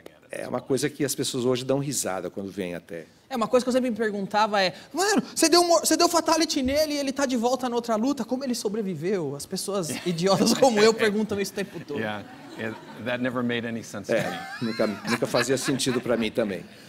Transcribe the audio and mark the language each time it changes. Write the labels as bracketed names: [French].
[Portuguese] É uma coisa que as pessoas hoje dão risada quando vêm até. É uma coisa que eu sempre me perguntava, mano, você deu fatality nele e ele está de volta na outra luta, como ele sobreviveu? As pessoas idiotas como eu perguntam isso o tempo todo. [English] That never made any sense to me. [Portuguese] Nunca fazia sentido para mim também.